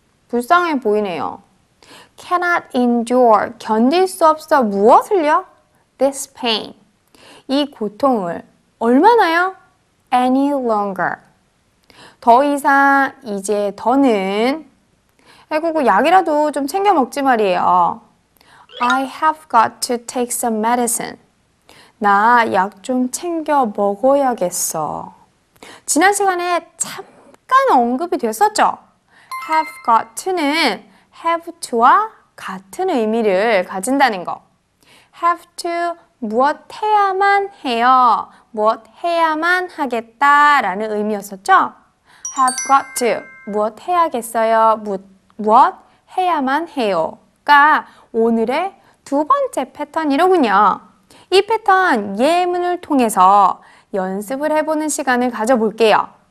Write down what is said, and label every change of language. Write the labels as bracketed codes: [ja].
[ko] 불쌍해 보이네요. [en] Cannot endure. [ko] 견딜 수 없어 무엇을요? [en] This pain. [ko] 이 고통을 얼마나요? [en] Any longer. [ko] 더 이상 이제 더는 아이고 약이라도 좀 챙겨 먹지 말이에요. [en] I have got to take some medicine. [ko] 나 약 좀 챙겨 먹어야겠어. 지난 시간에 잠깐 언급이 됐었죠? have got to는 have to와 같은 의미를 가진다는 거. have to 무엇 해야만 해요. 무엇 해야만 하겠다라는 의미였었죠? have got to 무엇 해야겠어요. 무엇 해야만 해요가 오늘의 두 번째 패턴이로군요. 이 패턴 예문을 통해서 연습을 해보는 시간을 가져볼게요.